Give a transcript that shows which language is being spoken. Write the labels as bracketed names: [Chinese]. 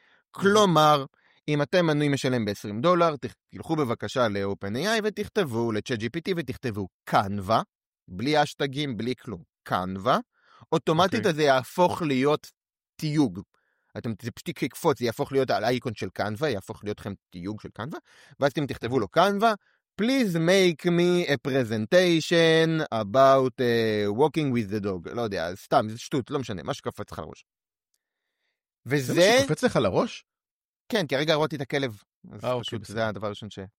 [Hebrew] כלומר, אם אתם מנוי משלם ב-20 דולר, תלכו בבקשה ל-OpenAI ותכתבו ל-ChatGPT ותכתבו Canva, בלי אשטגים, בלי כלום, Canva, אוטומטית הזה יהפוך להיות תיוג. אתם, זה פשוט יקפוץ, זה יהפוך להיות על אייקון של קנווה, יהפוך להיותכם תיוג של קנווה, ואז אתם תכתבו לו קנווה, [English] please make me a presentation about walking with the dog. [Hebrew] לא יודע, סתם, זה שטות, לא משנה, משהו קפץ לך לראש. וזה... זה מה שקפץ לך לראש? כן, כי הרגע ראיתי את הכלב. אה, אוקיי, פשוט, בסדר. זה הדבר הראשון ש...